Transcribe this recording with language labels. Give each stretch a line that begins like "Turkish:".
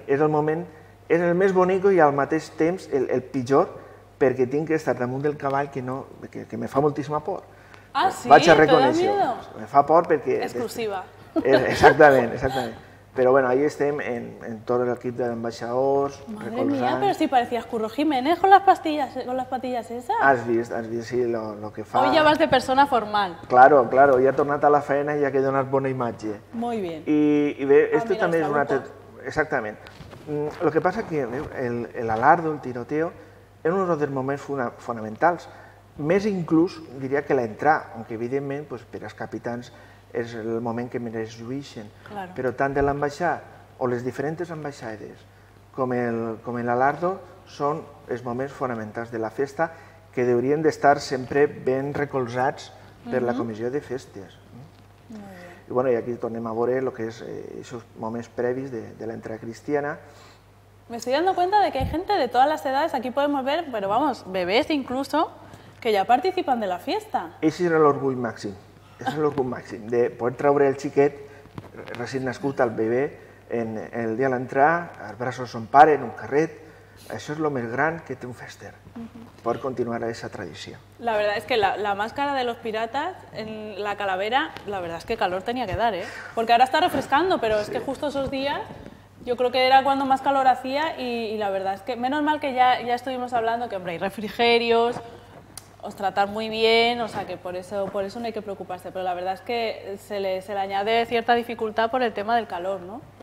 Catalan: És el moment, és el més bonic i al mateix temps el pitjor, perquè tinc que estar damunt del cavall que, no, que me fa moltíssima por. Ah, sí? Vaig a reconèixer. Me fa por perquè... Exclusiva. Exactament, exactament. Però bueno, ahí estem en tot l'equip d'ambaixadors, recolzant...
Spanish: Madre mía, pero si parecías Curro Jiménez con las patillas esas.
Catalan: Has vist, sí, lo que fa...
Spanish: Hoy ya vas de persona formal.
Catalan: Claro, claro, ja he tornat a la feina i ja he donat bona imatge.
Spanish: Muy bien.
Catalan: I bé, esto també és una... Exactament.
Spanish: Lo que pasa que el alardo, el tiroteo, era
Catalan: un dels moments fonamentals. Més inclús, diria que l'entrar, aunque evidentment, pues, per als capitans, és el moment que més lluïxen.
Spanish: Claro.
Catalan: Però tant de l'ambaixada o les diferents ambaixades com l'alardo són els moments fonamentals de la festa que haurien d'estar sempre ben recolzats per la comissió de festes. I, bueno, i aquí tornem a veure el que és aquests moments previs de l'entrada cristiana.
Spanish: Me estoy dando cuenta de que hay gente de todas las edades, aquí podemos ver, pero vamos, bebés incluso, que ya participan de la fiesta.
Catalan: Ese era l'orgull màxim. És l'orgull màxim, de poder traure el xiquet recent nascut, el bebè, el dia de l'entrada, als braços de son pare, en un carret. Això és el més gran que té un fester, poder continuar aquesta tradició.
Spanish: La verdad es que la máscara de los piratas en la calavera, la verdad es que calor tenía que dar, ¿eh? Porque ahora está refrescando, pero sí. Es que justo esos días, yo creo que era cuando más calor hacía y la verdad es que menos mal que ya estuvimos hablando que, hombre, hay refrigerios, os tratar muy bien, o sea que por eso no hay que preocuparse, pero la verdad es que se le añade cierta dificultad por el tema del calor, ¿no?